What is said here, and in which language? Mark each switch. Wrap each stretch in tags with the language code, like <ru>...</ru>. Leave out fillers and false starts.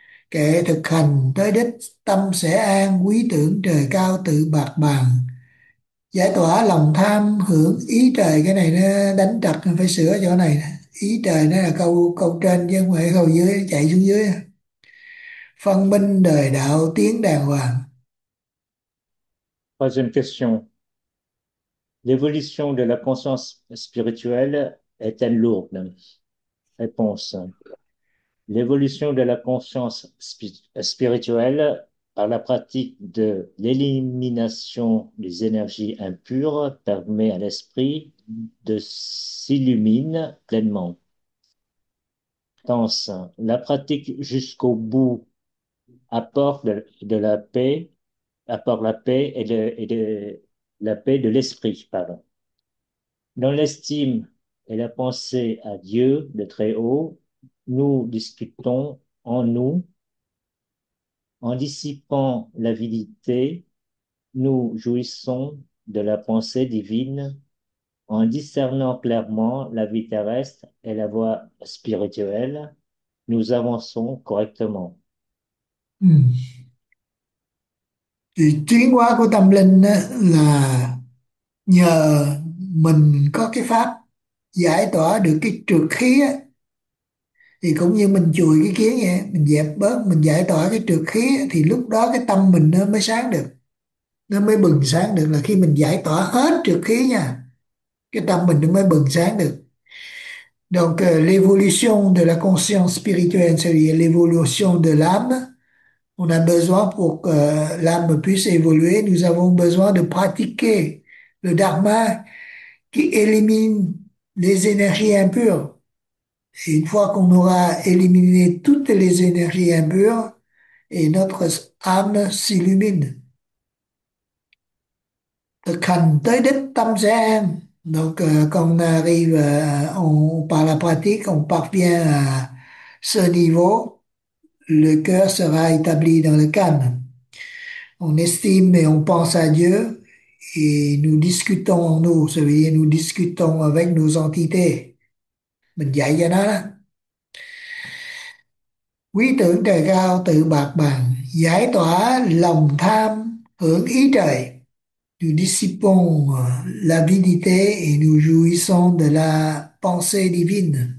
<vi>Kẻ thực hành tới đích tâm sẽ an, quý tưởng trời cao tự bạc bàn. Giải tỏa lòng tham hưởng ý trời, cái này nó đánh trật, phải sửa chỗ này. Ý trời nó là câu câu trên chứ không phải câu dưới, chạy xuống dưới. Phân minh đời đạo tiến đàng hoàng.</vi> <fr>Troisième question. L'évolution de la conscience spirituelle est-elle lourde? Réponse. L'évolution de la conscience spirituelle par la pratique de l'élimination des énergies impures permet à l'esprit de s'illuminer pleinement. Pense. La pratique jusqu'au bout apporte de la paix. Apporte la paix et la paix de l'esprit, pardon. Dans l'estime et la pensée à Dieu, le Très-Haut, nous discutons en nous, en dissipant l'avidité, nous jouissons de la pensée divine, en discernant clairement la vie terrestre et la voie spirituelle, nous avançons correctement.</fr> <vi>Thì tiến hóa của tâm linh đó là nhờ mình có cái pháp giải tỏa được cái trược khí đó. thì cũng như mình chùi cái kiến vậy, mình dẹp bớt, mình giải tỏa cái trược khí, thì lúc đó cái tâm mình nó mới sáng được, nó mới bừng sáng được, là khi mình giải tỏa hết trược khí nha, cái tâm mình nó mới bừng sáng được.</vi> <fr>Donc l'évolution de la conscience spirituelle, c'est l'évolution de l'âme. On a besoin pour que l'âme puisse évoluer, nous avons besoin de pratiquer le dharma qui élimine les énergies impures. Et une fois qu'on aura éliminé toutes les énergies impures, et notre âme s'illumine.</fr> <vi>Thực hành tới đích tâm sẽ an.</vi> <fr>Donc, quand on arrive, par la pratique, on parvient à ce niveau, le cœur sera établi dans le calme. On estime et on pense à Dieu et nous discutons en nous, c'est-à-dire nous discutons avec nos entités.</fr> <vi>Mình dạy cho nó đó. Quý tưởng trời cao tự bạc bằng, giải tỏa lòng tham hưởng ý trời.</vi> <fr>Nous dissipons l'avidité et nous jouissons de la pensée divine.</fr>